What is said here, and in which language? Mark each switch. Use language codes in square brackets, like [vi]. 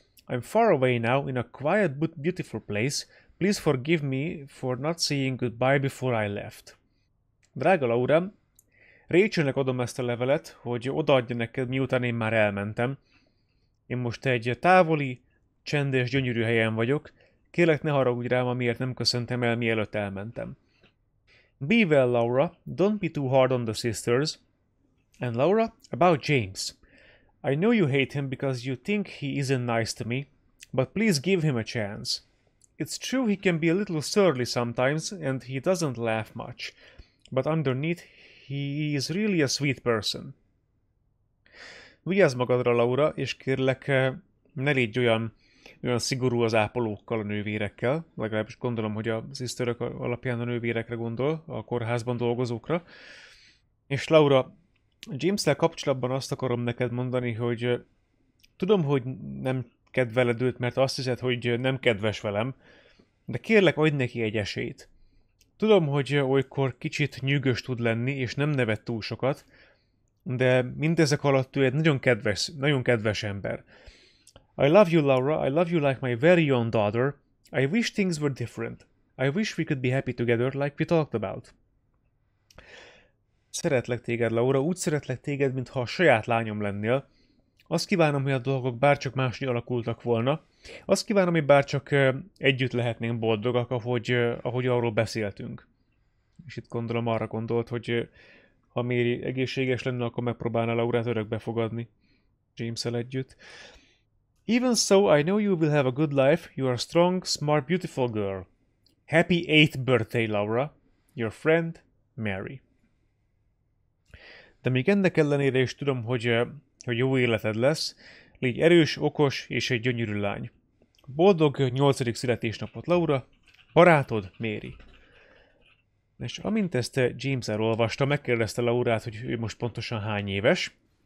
[en] I'm far away now, in a quiet but beautiful place. Please forgive me for not saying goodbye before I left. [hu] Drága Laura, Rachelnek adom ezt a levelet, hogy odaadja neked, miután én már elmentem. Én most egy távoli, csendes, gyönyörű helyen vagyok. Kérlek, ne haragudj rám, amiért nem köszöntem el, mielőtt elmentem. [en] Be well, Laura. Don't be too hard on the sisters. And Laura, about James. I know you hate him because you think he isn't nice to me, but please give him a chance. It's true he can be a little surly sometimes, and he doesn't laugh much. But underneath, he is really a sweet person. [hu] Vigyázz magadra, Laura, és kérlek, ne légy olyan szigorú az ápolókkal, a nővérekkel. Legalábbis gondolom, hogy a sisterök alapján a nővérekre gondol, a kórházban dolgozókra. És Laura, James-tel kapcsolatban azt akarom neked mondani, hogy tudom, hogy nem kedveled őt, mert azt hiszed, hogy nem kedves velem, de kérlek, adj neki egy esélyt. Tudom, hogy olykor kicsit nyűgös tud lenni, és nem nevet túl sokat, de mindezek alatt ő egy nagyon kedves ember. [en] I love you, Laura. I love you like my very own daughter. I wish things were different. I wish we could be happy together, like we talked about. [hu] Szeretlek téged, Laura. Úgy szeretlek téged, mintha a saját lányom lennél. Azt kívánom, hogy a dolgok bárcsak máshogy alakultak volna. Azt kívánom, hogy bárcsak együtt lehetnénk boldogak, ahogy arról beszéltünk. És itt gondolom arra gondolt, hogy ha Mary egészséges lenne, akkor megpróbálna Laurát örökbe fogadni James-el együtt. [en] Even so, I know you will have a good life. You are a strong, smart, beautiful girl. Happy 8th birthday, Laura. Your friend, Mary. [hu] De még ennek ellenére is tudom, hogy jó életed lesz. Légy erős, okos és egy gyönyörű lány. Boldog 8. születésnapot, Laura. Barátod, Mary. És amint ezt James elolvasta, megkérdezte Laurát, hogy ő most pontosan hány éves.